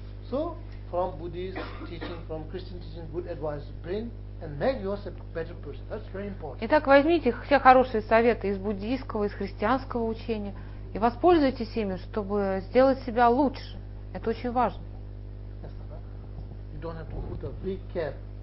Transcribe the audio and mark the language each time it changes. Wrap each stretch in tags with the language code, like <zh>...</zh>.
<en>So, from Buddhist teaching, from Christian teaching, good advice bring and make yourself a better person. That's very important.</en> <ru>Итак, возьмите все хорошие советы из буддийского, из христианского учения и воспользуйтесь ими, чтобы сделать себя лучше. Это очень важно.</ru> <en>You don't have to put a big cap,</en>